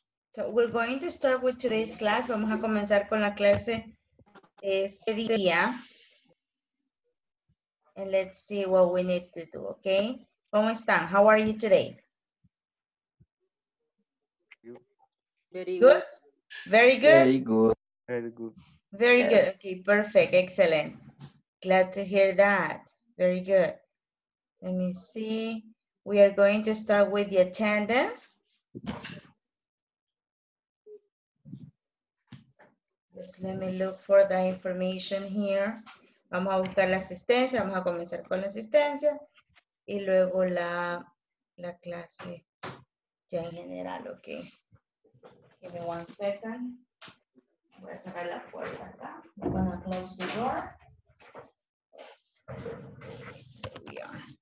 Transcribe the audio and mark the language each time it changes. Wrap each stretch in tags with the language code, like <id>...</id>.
<en>So we're going to start with today's class.</en> <es>Vamos a comenzar con la clase este día.</es> <en>And let's see what we need to do, okay?</en> <es>¿Cómo están?</es> <en>How are you today? Good. Very good. Very good. Very good. Very yes. Good. Okay, perfect. Excellent. Glad to hear that. Very good. Let me see. We are going to start with the attendance. Just let me look for the information here.</en> <es>Vamos a buscar la asistencia. Vamos a comenzar con la asistencia. Y luego la clase ya en general, okay.</es> <en>Give me one second.</en> <es>Voy a cerrar la puerta acá.</es> <en>I'm gonna close the door. There we are.</en>